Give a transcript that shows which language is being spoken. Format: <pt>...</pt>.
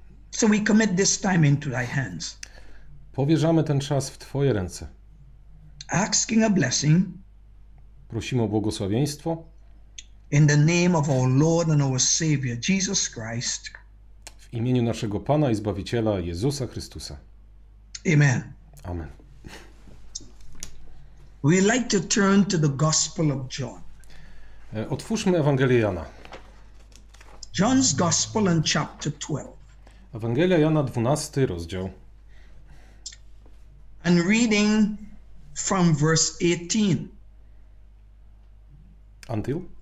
<en>So we commit this time into thy hands.</en> <pl>Powierzamy ten czas w twoje ręce.</pl> <en>Asking a blessing.</en> <pl>Prosimy o błogosławieństwo.</pl> <en>In the name of our Lord and our Savior, Jesus Christ.</en> <pl>W imieniu naszego Pana i Zbawiciela, Jezusa Chrystusa.</pl> <en>Amen.</en> <pl>Amen.</pl> <en>We like to turn to the Gospel of John.</en> <pl>Otwórzmy Ewangelię Jana.</pl> <en>John's Gospel and chapter 12.</en> <pl>Ewangelia Jana, 12 rozdział.</pl> <en>And reading from verse 18. Until?</en>